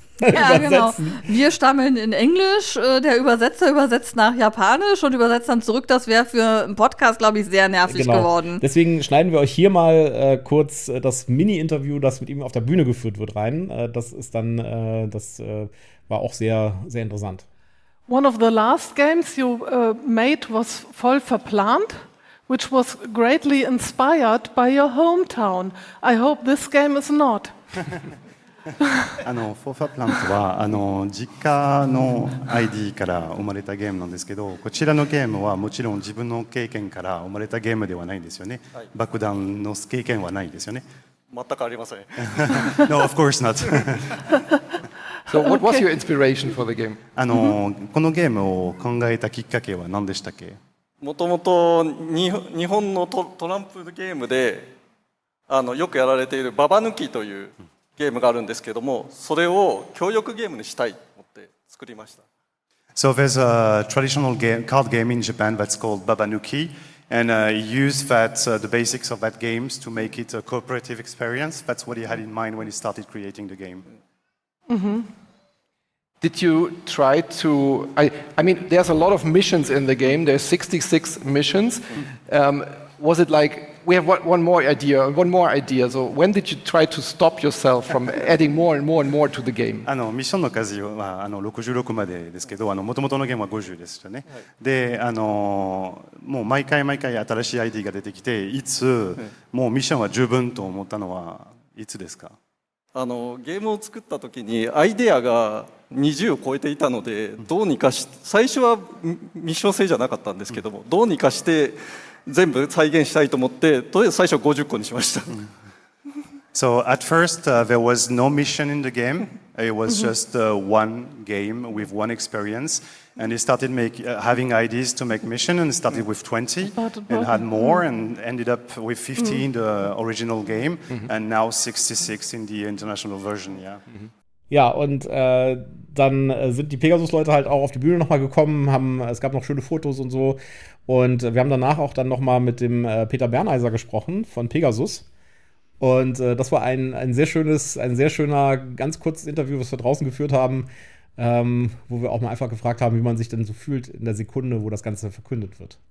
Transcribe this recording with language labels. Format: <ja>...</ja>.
<de>übersetzen. Genau. Wir stammeln in Englisch, der Übersetzer übersetzt nach Japanisch und übersetzt dann zurück. Das wäre für einen Podcast, glaube ich, sehr nervig geworden. Deswegen schneiden wir euch hier mal kurz das Mini-Interview, das mit ihm auf der Bühne geführt wird, rein. War auch sehr, sehr interessant.</de> <en>One of the last games you made was voll verplant, which was greatly inspired by your hometown. I hope this game is not.</en> <ja>フォーファープラントは実家の ID から生まれたゲームなんですけど、こちらのゲームはもちろん自分の経験から生まれたゲームではないんですよね。はい、爆弾の経験はないんですよね。全くありません。</ja> <en>No, of course not. So what was your inspiration for the game?</en> <ja>このゲームを考えたきっかけは何でしたっけ？もともと日本の トランプゲームでよくやられているババ抜きというゲームがあるんですけども、それを協力ゲームにしたいと思って作りました。</ja> <en>So there's a traditional game, card game in Japan that's called Babanuki, and you use that, the basics of that games to make it a cooperative experience. That's what you had in mind when you started creating the game. Mm-hmm. Did you try to... I mean, there's a lot of missions in the game. There's 66 missions. Was it like... We have one more idea. So when did you try to stop yourself from adding more and more and more to the game?</en> <ja>ミッションの数は66までですけど、元々のゲームは50でしたね。で、もう毎回毎回新しい ID が出てきて、いつもうミッションは十分と思ったのはいつですか？ゲームを作った時にアイデアが20を超えていたので、どうにかし、最初はミッション制じゃなかったんですけども、どうにかして全部再現したいと思って、とりあえず最初50個にしました。</ja> <en>So at first, there was no mission in the game. It was just one game with one experience. And he started having ideas to make mission and started with 20 and had more and ended up with 15 in the original game and now 66 in the international version, yeah.</en> <de>Ja, und dann sind die Pegasus-Leute halt auch auf die Bühne nochmal gekommen, es gab noch schöne Fotos und so. Und wir haben danach auch dann nochmal mit dem Peter Berneiser gesprochen von Pegasus. Und das war ein sehr schöner, ganz kurzes Interview, was wir draußen geführt haben, wo wir auch mal einfach gefragt haben, wie man sich denn so fühlt in der Sekunde, wo das Ganze verkündet wird.</de>